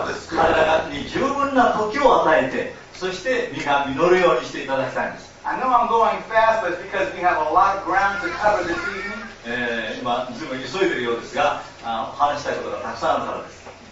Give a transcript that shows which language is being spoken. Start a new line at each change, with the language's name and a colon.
Japanese: 彼らに十分な時を与えて、そして実が実るようにしていただきたいんです。
English: I know I'm going fast, but it's because we have a lot of ground to cover this evening.
Japanese: 今ずいぶん急いでいるようですが、話したいことがたくさんあるからです。